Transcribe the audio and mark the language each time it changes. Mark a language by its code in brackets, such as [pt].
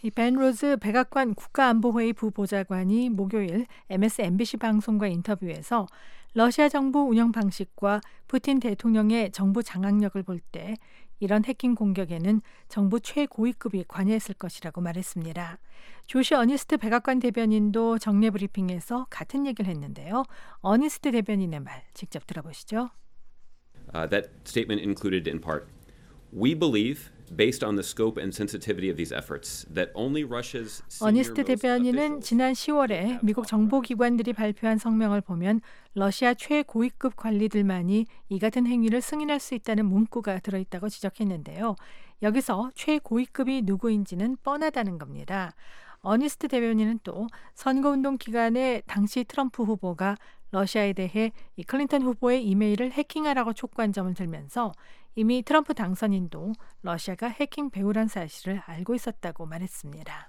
[ko] 이 벤 로즈 백악관 국가안보회의 부보좌관이 목요일 MSNBC 방송과 인터뷰에서 러시아 정부 운영 방식과 푸틴 대통령의 정부 장악력을 볼 때 이런 해킹 공격에는 정부 최고위급이 관여했을 것이라고 말했습니다. 조시 어니스트 백악관 대변인도 정례 브리핑에서 같은 얘기를 했는데요. 어니스트 대변인의 말 직접 들어보시죠. [en] That statement included in part, we believe based on the scope and sensitivity of these efforts that only Russia's [ko] 어니스트 대변인은 지난 10월에 미국 정보기관들이 발표한 성명을 보면 러시아 최고위급 관리들만이 이 같은 행위를 승인할 수 있다는 문구가 들어있다고 지적했는데요. 여기서 최고위급이 누구인지는 뻔하다는 겁니다. 어니스트 대변인은 또 선거운동 기간에 당시 트럼프 후보가 러시아에 대해 이 클린턴 후보의 이메일을 해킹하라고 촉구한 점을 들면서 이미 트럼프 당선인도 러시아가 해킹 배후란 사실을 알고 있었다고 말했습니다.